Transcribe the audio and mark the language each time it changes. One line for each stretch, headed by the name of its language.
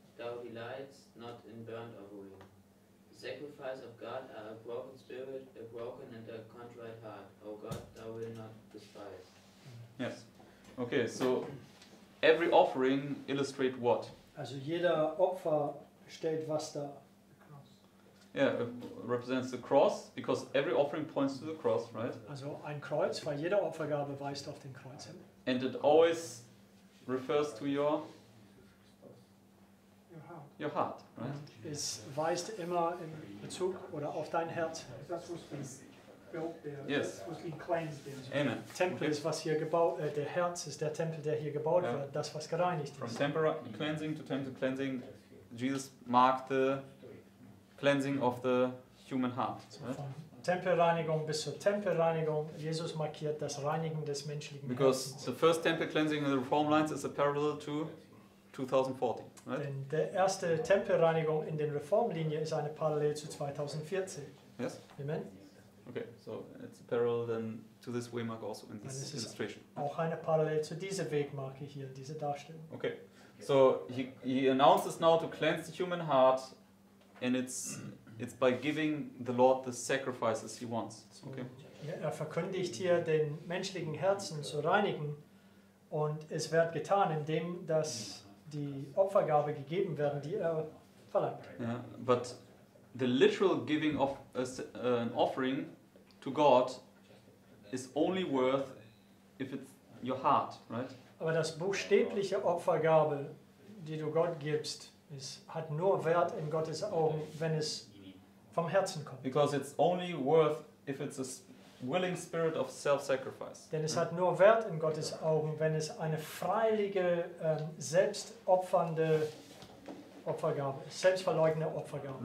English: Thou delightest not in burnt offering. The sacrifice of God are a broken spirit, a broken and a contrite heart. O God, thou wilt not despise. Yes. Okay, so every offering illustrates what?
German: Also jeder Opfer stellt was da.
English: Yeah, it represents the cross, because every offering points to the cross, right?
German: Also ein Kreuz, weil jede Opfergabe weist auf den Kreuz hin.
English: And it always refers to your heart, right?
German: Es weist immer in Bezug oder auf dein Herz.
English: That's what's been built there. Yes. What's been cleansed there. Amen.
German: Tempel okay. Ist was hier gebaut, der Herz ist der Tempel, der hier gebaut wird, das was gereinigt
English: From
German: ist.
English: From temporal cleansing to temple cleansing, Jesus marked the cleansing of the human heart. Right?
German: Von Tempelreinigung bis zur Tempelreinigung, Jesus markiert das Reinigen des menschlichen
English: Because
German: Herzens.
English: Because the first temple cleansing in the Reform lines is a parallel to 2014, right?
German: Denn der erste Tempelreinigung in den Reformlinien ist eine Parallel zu 2014.
English: Yes. Amen. Okay, so it's a parallel then to this waymark also in this illustration.
German: Auch eine Parallel zu dieser Wegmarke hier, diese Darstellung.
English: Okay, so he announces now to cleanse the human heart. And it's by giving the Lord the sacrifices he wants. Okay.
German: Ja, er verkündigt hier den menschlichen Herzen zu reinigen, und es wird getan, indem dass die Opfergabe gegeben werden, die er verlangt.
English: Yeah, but the literal giving of an offering to God is only worth if it's your heart, right?
German: Aber das buchstäbliche Opfergabe, die du Gott gibst. Es hat nur Wert in Gottes Augen, wenn es vom Herzen kommt.
English: Because it's only worth if it's a willing spirit of self-sacrifice.
German: Denn es hat nur Wert in Gottes Augen, wenn es eine freiwillige, selbstopfernde Opfergabe, selbstverleugnende Opfergabe.